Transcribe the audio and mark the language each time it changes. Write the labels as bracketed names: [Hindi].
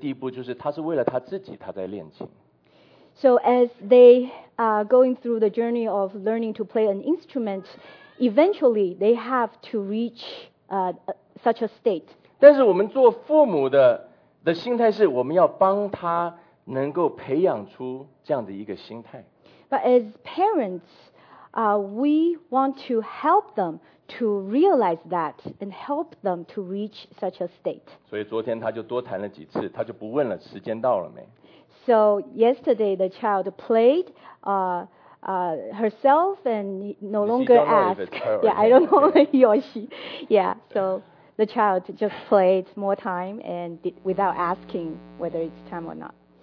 [Chinese] 那在他这个学琴的过程当中，他一定要达到一个地步，就是他是为了他自己，他在练琴。 [English] So as they are going through the journey of learning to play an instrument, eventually they have to reach such a state. [Chinese] 但是我们做父母的心态是，我们要帮他能够培养出这样的一个心态。 [English] But as parents, we want to help them to realize that and help them to reach such a state. [Chinese] 所以昨天他就多弹了几次，他就不问了，时间到了没？ [English] So yesterday, the child played herself and no longer asked. Yeah, I don't know he or she. Yeah, so the child just played more time and without asking whether it's time or not.